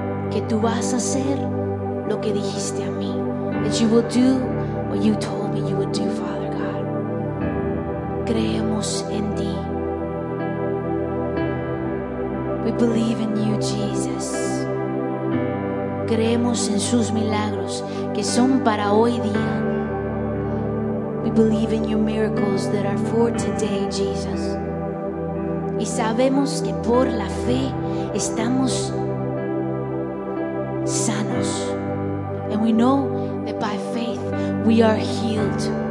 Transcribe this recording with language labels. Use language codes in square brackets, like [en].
[es] Que tú vas a hacer lo que dijiste a mí. [en] That you will do what you told me you would do, Father God. [es] Creemos en ti. [en] We believe in you, Jesus. [es] Creemos en sus milagros que son para hoy día. [en] We believe in your miracles that are for today, Jesus. [es] Y sabemos que por la fe estamos sanos. [en] And we know that by faith we are healed.